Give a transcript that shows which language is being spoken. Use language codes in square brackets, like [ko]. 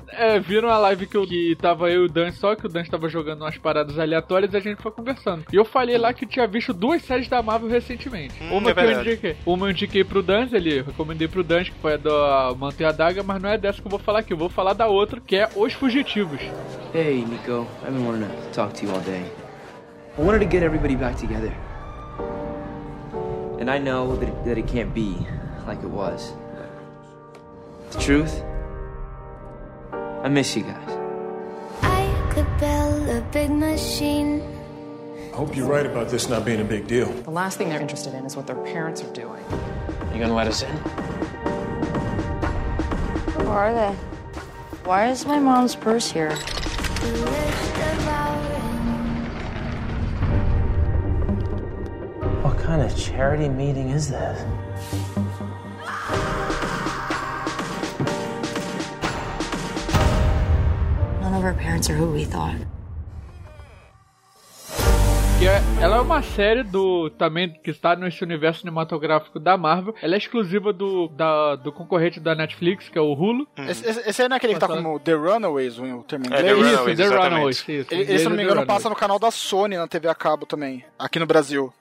[pt] É, viram a live que tava eu e o Dan, só que o Dan tava jogando umas paradas aleatórias e a gente foi conversando. E eu falei lá que tinha visto duas séries da Marvel recentemente. Uma eu indiquei pro Danz, ali, recomendei pro Danz, que foi a do Manto e a Daga, mas não é dessa que eu vou falar aqui. Eu vou falar da outra, que é Os Fugitivos. [en] Hey, Nico. I've been wanting to talk to you all day. I wanted to get everybody back together. And I know that it can't be like it was. The truth? I miss you guys. I could build a big machine. I hope you're right about this not being a big deal. The last thing they're interested in is what their parents are doing. You gonna let us in? Who are they? Why is my mom's purse here? What kind of charity meeting is this? None of our parents are who we thought. [pt] Ela é uma série do também que está nesse universo cinematográfico da Marvel. Ela é exclusiva do concorrente da Netflix, que é o Hulu. Esse aí não é aquele que tá como The Runaways, o termo em inglês? The Runaways. Ele, se não me engano, passa no canal da Sony na TV a cabo também, aqui no Brasil.